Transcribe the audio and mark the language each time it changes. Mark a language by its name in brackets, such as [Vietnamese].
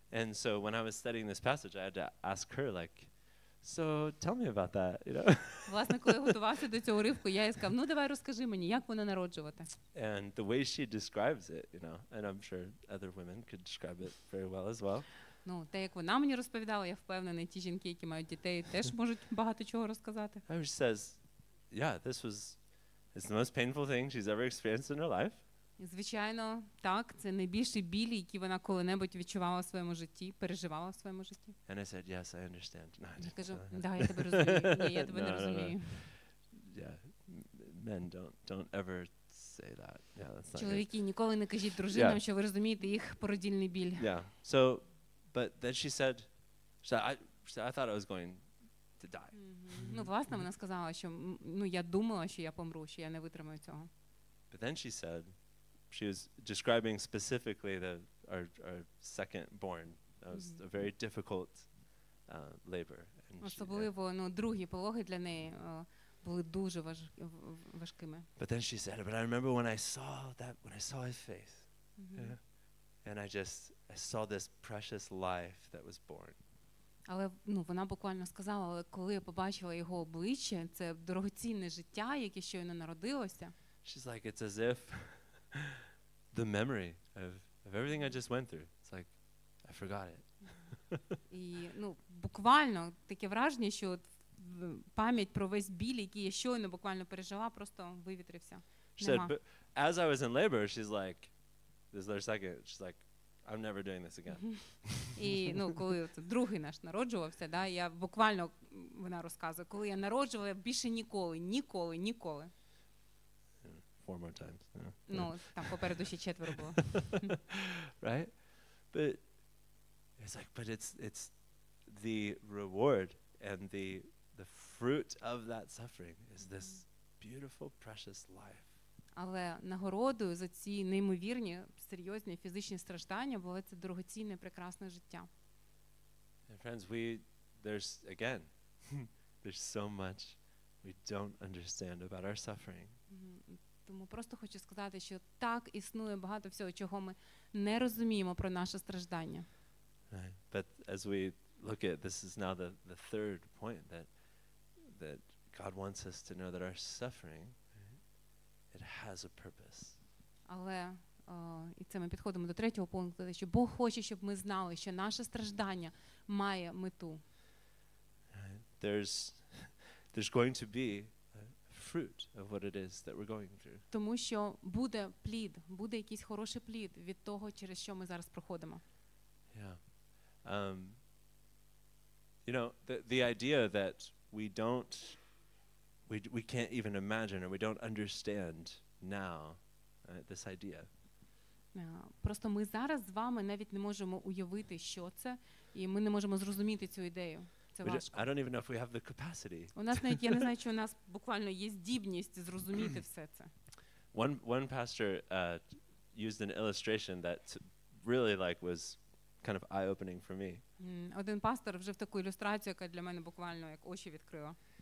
[English] And so when I was studying this passage, I had to ask her, like, so tell me about that, you know. [Ukrainian] Власне, коли готувався до цього уривку, я їй сказав: "Ну, давай розкажи мені, як воно народжувати". [English] And the way she describes it, you know, and I'm sure other women could describe it very well as well. [Ukrainian] Ну, те, як вона мені розповідала, я впевнений, ті жінки, які мають дітей, теж можуть багато чого розказати. [English] And she says, "Yeah, it's the most painful thing she's ever experienced in her life". [Ukrainian] Звичайно, так, це найбільший біль, який вона коли-небудь відчувала в своєму житті, переживала в своєму житті. [English] And I said, yes, I understand. No, [Ukrainian] я кажу, да, я тебе розумію. Ні, я тебе не розумію. [English] Yeah, men don't ever say that. Yeah, that's not [Ukrainian] чоловіки ніколи не кажіть дружинам, що ви розумієте їх породільний біль. [English] Yeah. So, but then she said, I thought I was going to die. [Ukrainian] Ну, власне, вона сказала, що ну я думала, що я помру, що я не витримаю цього. [English] But then she said, she was describing specifically our second born. That was a very difficult labor. [Ukrainian] Особливо, ну, другі пологи для неї були дуже важкими. [English] But then she said, but I remember when I saw his face. Mm-hmm. Yeah, and I saw this precious life that was born. [Ukrainian] Але, ну, вона буквально сказала, коли я побачила його обличчя, це дорогоцінне життя, яке щойно народилося. [English] She's like, it's as if the memory of everything I just went through. It's like I forgot it. [Ukrainian] І, ну, буквально таке враження, що пам'ять про весь біль, який я щойно буквально пережила, просто вивітрився. [English] Said, as I was in labor, she's like, this is their second. She's like, I'm never doing this again. [Ukrainian] І, ну, коли другий наш народжувався, да, я буквально, вона розказує, коли я народжувала, більше ніколи, ніколи, ніколи. [English] Yeah, four more times. Yeah. [Ukrainian] Ну, там попереду ще четверо було. [English] Right? But it's like, but it's the reward and the fruit of that suffering is this beautiful, precious life. [Ukrainian] Але нагородою за ці неймовірні, серйозні фізичні страждання було це дорогоцінне, прекрасне життя. [English] And friends, there's so much we don't understand about our suffering. [Ukrainian] Тому просто хочу сказати, що так існує багато всього, чого ми не розуміємо про наше страждання. [English] But as we look at this is now the third point that God wants us to know that our suffering it has a purpose. [Ukrainian] Але і це ми підходимо до третього пункту, що Бог хоче, щоб ми знали, що наше страждання має мету. [English] There's going to be a fruit of what it is that we're going through. [Ukrainian] Тому що буде плід, буде якийсь хороший плід від того, через що ми зараз проходимо. [English] Yeah. You know, the idea that we can't even imagine or we don't understand now this idea. [Ukrainian] Просто ми зараз з вами навіть не можемо уявити, що це, і ми не можемо зрозуміти цю ідею. Це важко. [English] I don't even know if we have the capacity. [Ukrainian] У нас навіть я не знаю, чи у нас буквально є здібність зрозуміти все це. [English] One pastor used an illustration that really like was kind of eye-opening for me. [Ukrainian] Один пастор вжив таку ілюстрацію, яка для мене буквально як очі відкрила.